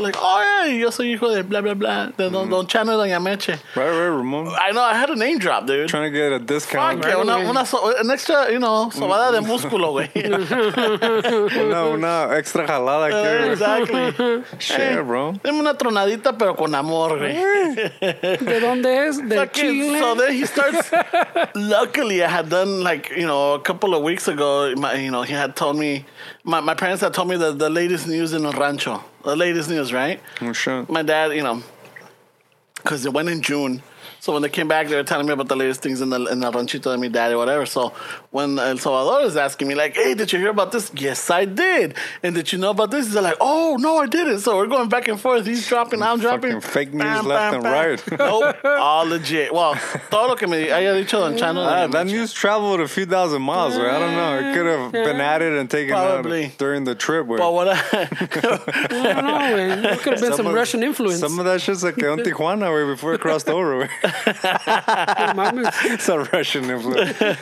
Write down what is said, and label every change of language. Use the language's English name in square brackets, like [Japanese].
[English] Like, oh yeah, [Spanish] yo soy hijo de blah blah blah. De don Chano y doña Meche. [English] Right, Ramon. I know. I had a name drop, dude. Trying to get a discount. Fuck right, an extra, you know, [Spanish] sobada de músculo, [English] güey. [Spanish] una extra jalada. [English] Exactly. Share, bro. [Spanish] Dame una tronadita, pero con amor, güey. ¿De dónde es? De Chile. [English] So then he starts. Luckily, I had done, like, you know, a couple of weeks ago, my, you know, he had told me, my parents had told me the latest news in El Rancho. The latest news, right? Oh, sure. My dad, you know, because it went in June. So when they came back, they were telling me about the latest things in the [Spanish] ranchito de mi [English] daddy, whatever. So when El Salvador is asking me, like, hey, did you hear about this? Yes, I did. And did you know about this? They're like, oh, no, I didn't. So we're going back and forth. He's dropping, I'm dropping. Fucking fake news bam, left bam, and bam. Right. Nope, all legit. [Spanish] Well, todo lo que me haya dicho en China. [English] That news traveled a few thousand miles, right? I don't know. It could have been added and taken probably out during the trip. Where, but what I don't know, man. It could have been some Russian influence. Some of that shit's like on Tijuana, where before it crossed over, right? It's a Russian influence.